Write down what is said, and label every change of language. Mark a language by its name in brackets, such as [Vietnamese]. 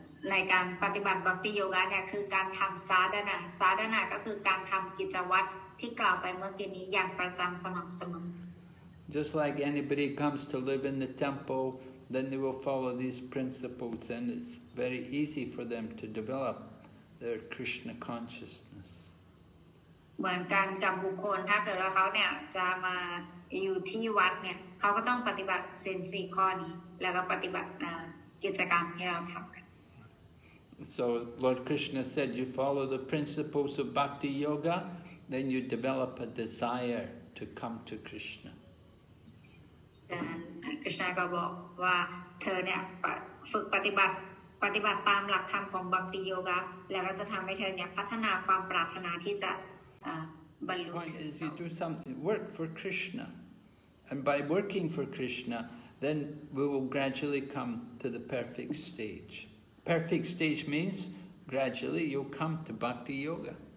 [Thai] ในการปฏิบัติบัคติโยคะเนี่ยคือการทำซาดานะซาดานะก็คือการทำกิจวัตรที่กล่าวไปเมื่อกี้นี้อย่างประจำสม่ำเสม [English] อ Just like anybody comes to live in the temple, then they will follow these principles, and it's very easy for them to develop their Krishna consciousness. [Thai] เหมือนกันกับบุคคลถ้าเกิดว่าเขาเนี่ยจะมาอยู่ที่วัดเนี่ยเขาก็ต้องปฏิบัติศีลสี่ข้อนี้แล้วก็ปฏิบัติกิจกรรมที่เราทำ [English] So Lord Krishna said, you follow the principles of bhakti yoga, then you develop a desire to come to Krishna. [Thai] Krishna ก็บอกว่าเธอเนี่ยฝึกปฏิบัติตามหลักธรรมของบัคติโยคะแล้วก็จะทำให้เธอเนี่ยพัฒนาความปรารถนาที่จะบรรลุ [English] Point is you do something, work for Krishna. And by working for Krishna, then we will gradually come to the perfect stage. Perfect stage means gradually you'll come to bhakti yoga.